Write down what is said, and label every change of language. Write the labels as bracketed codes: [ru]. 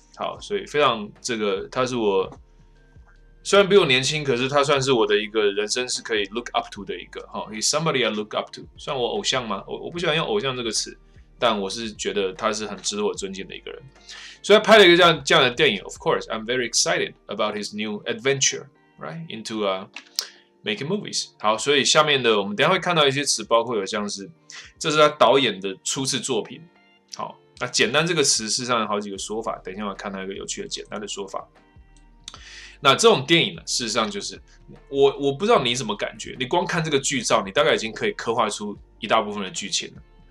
[zh] 好，所以非常这个，他是我虽然比我年轻，可是他算是我的一个人生是可以 [en] look up to [zh] 的一个哈 ， [en] he's somebody I look up to， [zh] 算我偶像吗？我不喜欢用偶像这个词。但我是觉得他是很值得我尊敬的一个人，所以他拍了一个这样的电影。 [en] Of course, I'm very excited about his new adventure, right? Into making movies. [zh] 好，所以下面的我们等一下会看到一些词，包括有像是这是他导演的初次作品。好，那简单这个词事实上有好几个说法，等一下我看到一个有趣的简单的说法。那这种电影呢，事实上就是我不知道你怎么感觉，你光看这个剧照，你大概已经可以刻画出一大部分的剧情了。